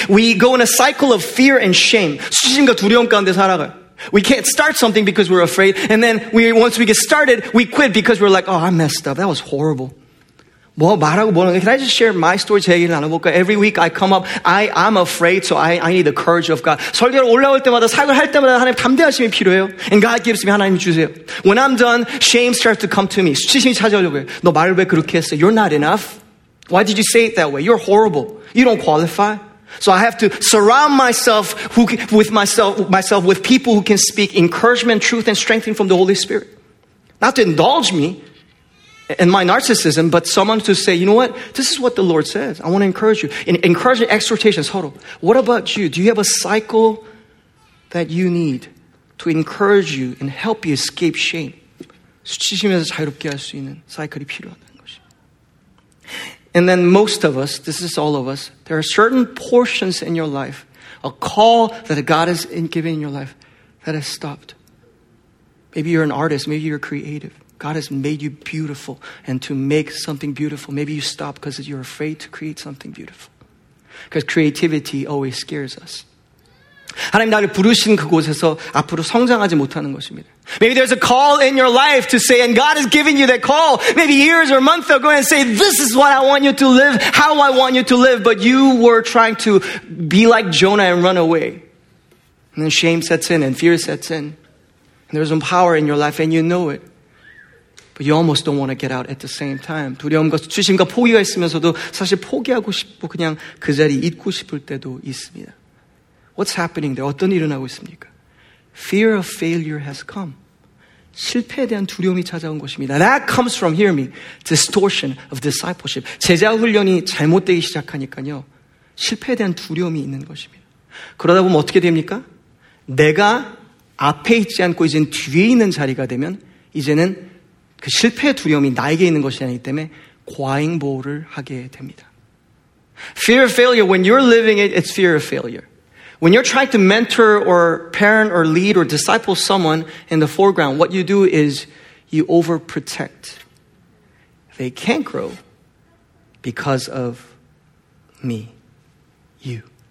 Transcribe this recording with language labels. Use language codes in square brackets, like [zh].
[en] We go in a cycle of fear and shame. We can't start something because we're afraid. And then once we get started, we quit because we're like, oh, I messed up. That was horrible. Can I just share my story? Every week I come up, I'm afraid, so I need the courage of God. [ko] 설교를 올라올 때마다, 사역을 할 때마다 하나님 담대하심이 필요해요. [en] And God gives me, [ko] 하나님 주세요. [en] When I'm done, shame starts to come to me. [ko] 수치심이 찾아오려고 해요. 너 말을 왜 그렇게 했어? [en] You're not enough. Why did you say it that way? You're horrible. You don't qualify. So I have to surround myself with people who can speak encouragement, truth, and strengthening from the Holy Spirit. Not to indulge me. And my narcissism, but someone to say, you know what? This is what the Lord says. I want to encourage you. Encouragement, exhortations. Hold on. What about you? Do you have a cycle that you need to encourage you and help you escape shame? [ko] 수치심에서 자유롭게 할 수 있는 사이클이 필요하다는 것이. [en] And then most of us, this is all of us, there are certain portions in your life, a call that God has given in your life that has stopped. Maybe you're an artist. Maybe you're creative. God has made you beautiful, and to make something beautiful, maybe you stop because you're afraid to create something beautiful. Because creativity always scares us. [ko] 하나님 나를 부르신 그곳에서 앞으로 성장하지 못하는 것입니다. [en] Maybe there's a call in your life to say, and God has given you that call, maybe years or months ago, and say, this is what I want you to live, how I want you to live, but you were trying to be like Jonah and run away. And then shame sets in, and fear sets in. And there's no power in your life, and you know it. But you almost don't want to get out at the same time. [ko] 두려움과 수치심과 포기가 있으면서도 사실 포기하고 싶고 그냥 그 자리에 있고 싶을 때도 있습니다. [en] What's happening there? [ko] 어떤 일이 일어나고 있습니까? [en] Fear of failure has come. [ko] 실패에 대한 두려움이 찾아온 것입니다. [en] That comes from, hear me, distortion of discipleship. [ko] 제자 훈련이 잘못되기 시작하니까요. 실패에 대한 두려움이 있는 것입니다. 그러다 보면 어떻게 됩니까? 내가 앞에 있지 않고 이제는 뒤에 있는 자리가 되면 이제는 그 실패의 두려움이 나에게 있는 것이 아니기 때문에 과잉보호를 하게 됩니다. [en] Fear of failure, when you're living it, it's fear of failure. When you're trying to mentor or parent or lead or disciple someone in the foreground, what you do is you overprotect. They can't grow because of me, you.